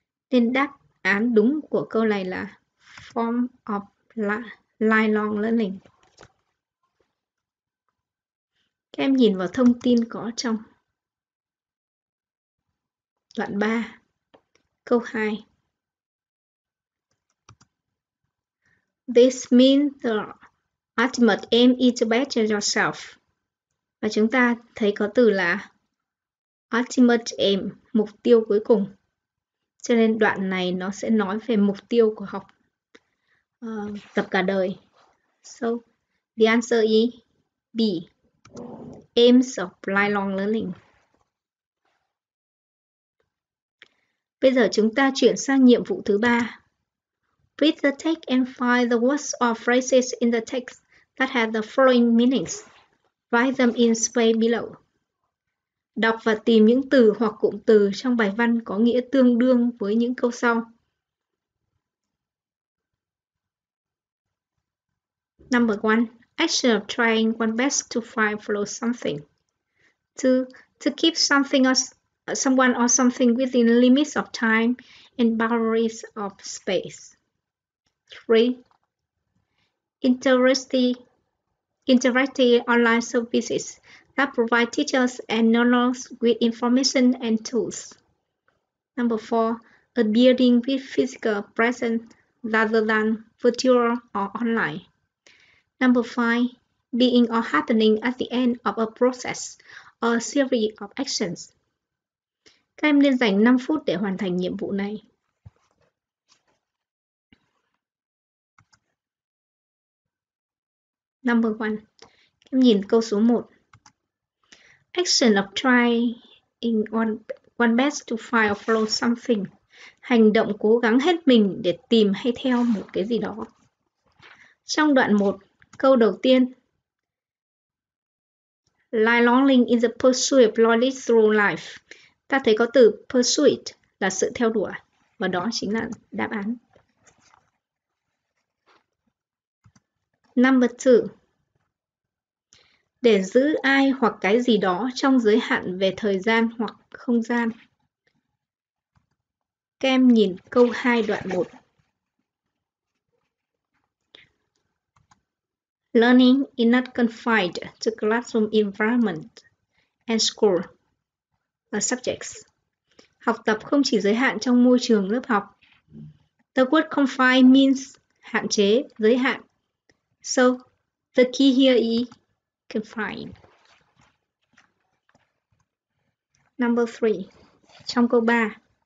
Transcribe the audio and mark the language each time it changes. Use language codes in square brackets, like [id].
[vi] Nên đáp án đúng của câu này là [en] Form of lifelong learning. [vi] Các em nhìn vào thông tin có trong đoạn 3, câu 2. [en] This means the ultimate aim is to better yourself. [vi] Và chúng ta thấy có từ là ultimate aim, mục tiêu cuối cùng. Cho nên đoạn này nó sẽ nói về mục tiêu của học tập cả đời. [en] So, the answer is B. Aims of lifelong learning. [vi] Bây giờ chúng ta chuyển sang nhiệm vụ thứ ba. [en] Read the text and find the words or phrases in the text that have the following meanings. Write them in space below. [vi] Đọc và tìm những từ hoặc cụm từ trong bài văn có nghĩa tương đương với những câu sau. [en] Number 1. Action of trying one best to find follow something. 2. To keep something or someone or something within limits of time and boundaries of space. 3. Interactive online services that provide teachers and learners with information and tools. Number 4. A building with physical presence rather than virtual or online. Number 5, being or happening at the end of a process A series of actions. [vi] Các em nên dành 5 phút để hoàn thành nhiệm vụ này. [en] Number 1. [vi] Em nhìn câu số 1. [en] Action of trying in one best to find or follow something. [vi] Hành động cố gắng hết mình để tìm hay theo một cái gì đó. Trong đoạn 1, câu đầu tiên. [en] Lie longing in the pursuit of knowledge through life. [vi] Ta thấy có từ pursuit là sự theo đuổi và đó chính là đáp án. [en] Number 2. [vi] Để giữ ai hoặc cái gì đó trong giới hạn về thời gian hoặc không gian. Kem nhìn câu 2 đoạn 1. [en] Learning is not confined to classroom environment and school or subjects. [vi] Học tập không chỉ giới hạn trong môi trường lớp học. [en] The word confined means [vi] hạn chế, giới hạn. [en] So, the key here is confined. Number 3. [vi] Trong câu 3.